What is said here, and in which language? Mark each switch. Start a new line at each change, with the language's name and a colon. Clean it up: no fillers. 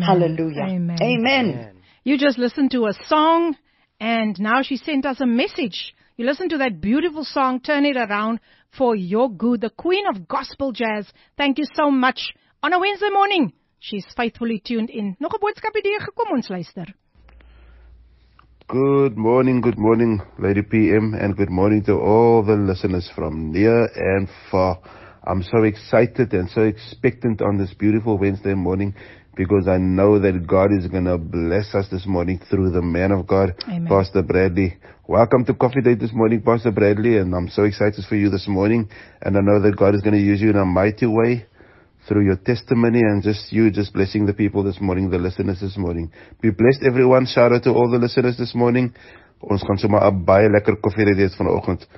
English: Hallelujah. Amen. You just listened to a song and now she sent us a message. You listen to that beautiful song, Turn It Around for Your Good, the Queen of Gospel Jazz. Thank you so much. On a Wednesday morning. She's faithfully tuned in.
Afrikaans: Nog 'n boodskap hierdie gekom, ons luister.
English: Good morning, Lady PM, and good morning to all the listeners from near and far. I'm so excited and so expectant on this beautiful Wednesday morning, because I know that God is going to bless us this morning through the man of God. Amen. Pastor Bradley. Welcome to Coffee Date this morning, Pastor Bradley, and I'm so excited for you this morning, and I know that God is going to use you in a mighty way, through your testimony and just you just blessing the people this morning, the listeners this morning. Be blessed, everyone. Shout out to all the listeners this morning.
Afrikaans: Ons gaan sommer 'n baie lekker koffie hê dit vanoggend.